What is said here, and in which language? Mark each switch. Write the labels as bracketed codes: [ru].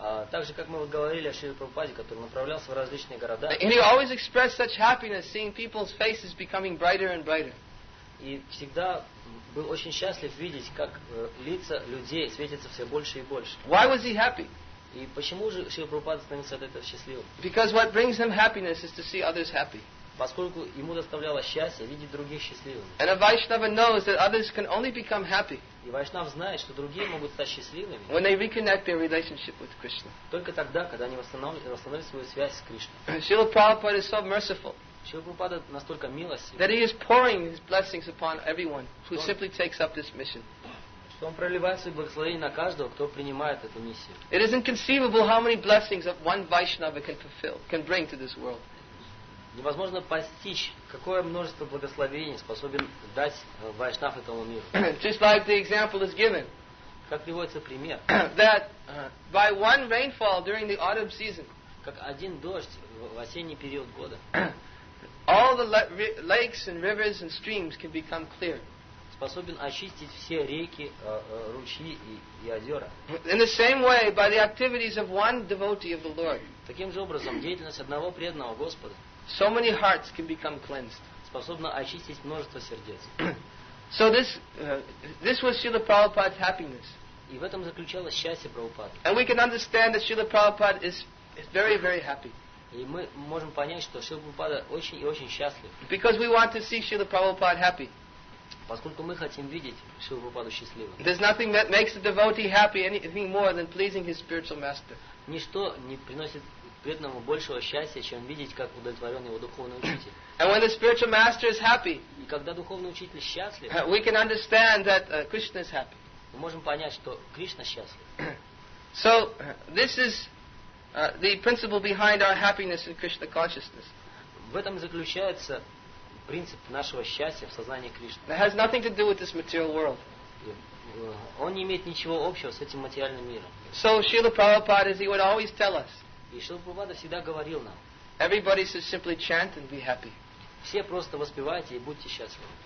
[ru] Так же, как мы говорили о Шриле Прабхупаде, который направлялся в различные города. [en] And he always expressed such happiness seeing people's faces becoming brighter and brighter. [ru] И всегда был очень счастлив видеть, как лица людей светятся все больше и больше. [en] Why was he happy? [ru] И почему же Шрила Прабхупада становится от этого счастливым? [en] Because what brings him happiness is to see others happy. [ru] Поскольку ему доставляло счастье видеть других счастливыми. [en] And a Vaishnava knows that others can only become happy. [ru] И Вайшнав знает, что другие могут стать счастливыми. [en] When they reconnect their relationship with Krishna. [ru] Только тогда, когда они восстановят свою связь с Кришной. [en] Шрила Прабхупада is so merciful. [ru] Шрила Прабхупада настолько милостив. [en] That he is pouring his blessings upon everyone who simply takes up this mission. [ru] Что он проливает свои благословения на каждого, кто принимает эту миссию. [en] It is inconceivable how many blessings that one Vaishnava can fulfill, can bring to this world. [ru] Невозможно постичь, какое множество благословений способен дать Вайшнав этому миру. [en] Just like the example is given. [ru] Как приводится пример? [en] That by one rainfall during the autumn season. [ru] Как один дождь в осенний период года. [en] All the lakes and rivers and streams can become clear. [ru] Способен очистить все реки, ручьи и озера. [en] In the same way, by the activities of one devotee of the Lord. [ru] Таким же образом, деятельность одного преданного Господа. [en] So many hearts can become cleansed. [ru] Способно очистить множество сердец. [en] So this was Srila Prabhupada's happiness. [ru] И в этом заключалось счастье Прабхупады. [en] And we can understand that Srila Prabhupada is very, very happy. [ru] И мы можем понять, что Шрила Прабхупада очень и очень счастлив. [en] Because we want to see Srila Prabhupada happy. [ru] Поскольку мы хотим видеть Шрилу Прабхупаду счастливым. [en] There's nothing that makes a devotee happy anything more than pleasing his spiritual master. [ru] Ничто не приносит преданному большего счастья, чем видеть, как удовлетворен его духовный учитель. [en] And when the spiritual master is happy, [ru] и когда духовный учитель счастлив, [en] we can understand that Krishna is happy. [ru] Мы можем понять, что Кришна счастлив. [en] So this is the principle behind our happiness in Krishna consciousness. [ru] В этом заключается принцип нашего счастья в сознании Кришны. [en] It has nothing to do with this material world. [ru] Он не имеет ничего общего с этим материальным миром. [en] So Srila Prabhupada, as he would always tell us, [ru] и Шрила Прабхупада всегда говорил нам, [en] everybody should simply chant and be happy. [ru] Все просто воспевайте и будьте счастливы.